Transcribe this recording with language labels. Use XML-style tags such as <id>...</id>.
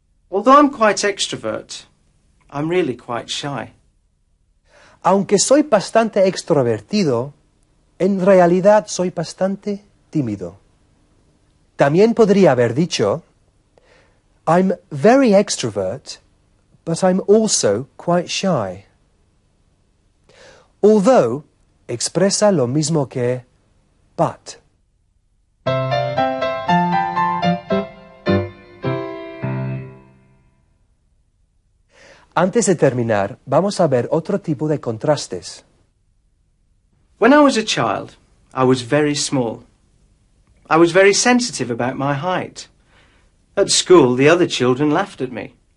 <en>Although I'm quite extrovert, I'm really quite shy.</en> <es>Aunque soy bastante extrovertido, en realidad soy bastante tímido. También podría haber dicho,</es> <en>I'm very extrovert, but I'm also quite shy.</en> <es>Although expresa lo mismo que but. Antes de terminar, vamos a ver otro tipo de contrastes.</es> <en>When I was a child, I was very small. I was very sensitive about my height. At school, the other children laughed at me.</en>